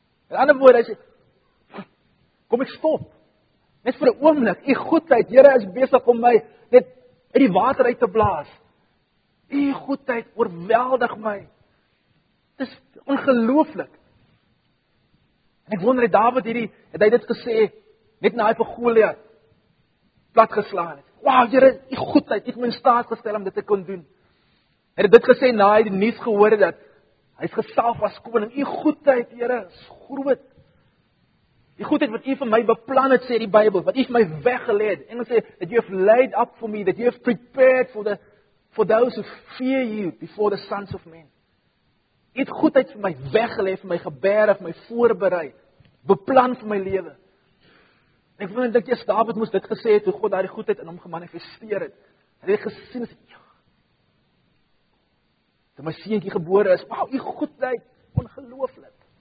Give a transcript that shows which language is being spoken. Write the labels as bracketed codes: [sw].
[af] In ander woorde, hy sê, kom ek stop, net vir 'n oomblik, die goedheid, Here is besig om my net uit die water uit te blaas, die goedheid oorweldig my, het is ongelooflik, en ek wonder, David hierdie, het hy dit gesê, net na hy vir Goliat, plat geslaan het. Wow, Here, u goedheid, u het my in staat gestel om dit te kon doen. Het dit gesê na hy die nuus gehoor dat hy is gesalf as koning. U goedheid, Here, is groot. Die goedheid wat u vir my beplan het, sê die Bybel, wat u vir my weggelê het. En ons sê, [en] that you have laid up for me, that you have prepared for those who fear you before the sons of men. [af] U het goedheid vir my weggelê, vir my gebeur, vir my voorberei, beplan vir my lewe. Ek vind dat Jesus David moes dit gesê het, hoe God daar die goedheid in hom gemanifesteer het. Hy het gesien, toe my seentjie gebore is, wow, die goedheid, ongelooflik.